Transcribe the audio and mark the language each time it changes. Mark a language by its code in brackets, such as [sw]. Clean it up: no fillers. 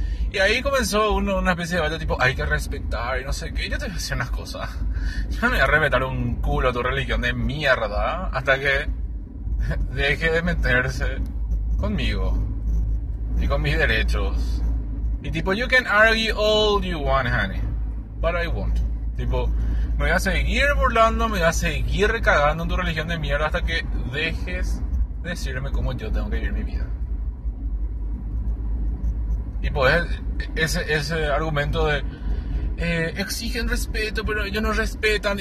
[es] Y ahí comenzó una especie de debate tipo, hay que respetar y no sé qué. Yo te voy a decir unas cosas. Yo no me voy a respetar un culo a tu religión de mierda hasta que deje de meterse conmigo y con mis derechos. Y tipo, [en] you can argue all you want, honey, but I won't. [es] Tipo, me voy a seguir burlando, me voy a seguir cagando en tu religión de mierda hasta que dejes de decirme cómo yo tengo que vivir mi vida. Y pues ese argumento de exigen respeto, pero ellos no respetan.